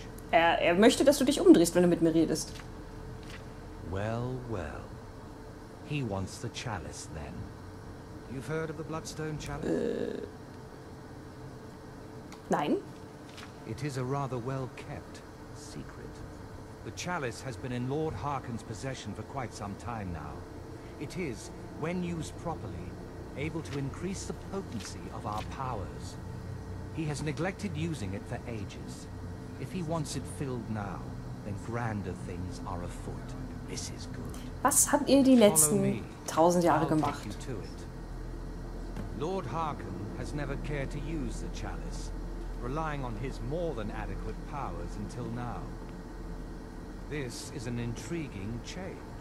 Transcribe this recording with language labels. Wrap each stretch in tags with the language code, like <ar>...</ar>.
<de>Er möchte, dass du dich umdrehst, wenn du mit mir redest.</de> <en>Well, well. He wants the chalice then. You've heard of the Bloodstone Chalice?</en> <de>Nein.</de> <en>It is a rather well-kept secret. The chalice has been in Lord Harkin's possession for quite some time now. It is, when used properly, able to increase the potency of our powers. He has neglected using it for ages. If he wants it filled now, then grander things are afoot. This is good.</en> <de>Was habt ihr die letzten 1000 Jahre gemacht?</de> <en>Lord Harkin has never cared to use the chalice, relying on his more than adequate powers until now. This is an intriguing change.</en>